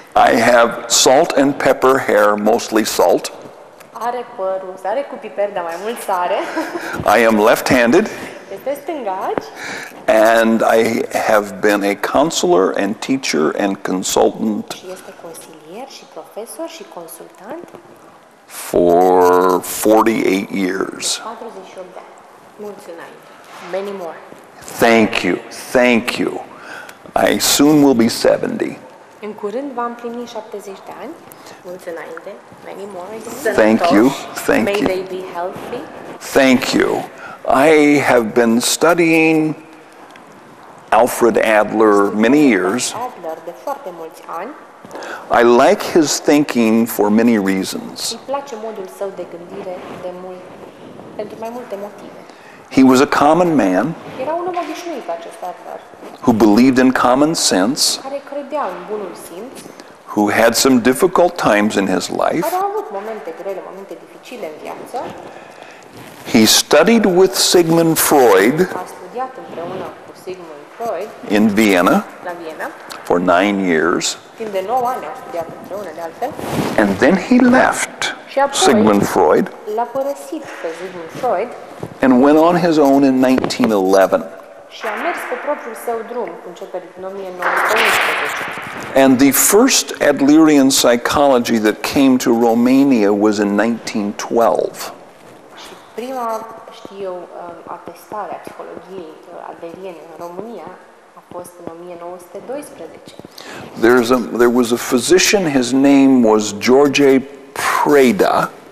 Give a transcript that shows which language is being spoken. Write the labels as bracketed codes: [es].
[en] I have salt and pepper hair, mostly salt. [ro] Are păr usare cu piper, dar mai mult sare. [en] I am left-handed. [ro] Este stângaci. [en] And I have been a counselor and teacher and consultant. [ro] Și este consilier și profesor și consultant. [en] For 48 years. [ro] 48 de ani. Mulțumim. [en] Many more. Thank you. Thank you. I soon will be 70. [ro] În curând v-am primit 70 de ani. Mulți înainte. [en] Many more. Thank you. Thank you. May they be healthy. Thank you. I have been studying Alfred Adler many years. [ro] Adler de foarte mulți ani. [en] I like his thinking for many reasons. [ro] Îmi place modul său de gândire de mult, pentru mai multe motive. [en] He was a common man. [ro] Era un om obișnuit, acest Adler. [en] Who believed in common sense, [ro] care credea în bunul simț, [en] who had some difficult times in his life. [ro] Care a avut momente grele, momente dificile în viață. [en] He studied with Sigmund Freud, [ro] a studiat împreună cu Sigmund Freud [en] in Vienna, [ro] la Viena, [en] for 9 years. [ro] Timp de 9 ani a studiat împreună, de altfel. [en] And then he left Sigmund Freud, [ro] l-a părăsit pe Sigmund Freud, [en] and went on his own in 1911. [ro] Și a mers pe propriul său drum, începând din 1911. [en] And the first Adlerian psychology that came to Romania was in 1912. [ro] Și prima, știu eu, atestare a psihologiei adleriene în România a fost în 1912. [en] There was a physician, his name was George Preda.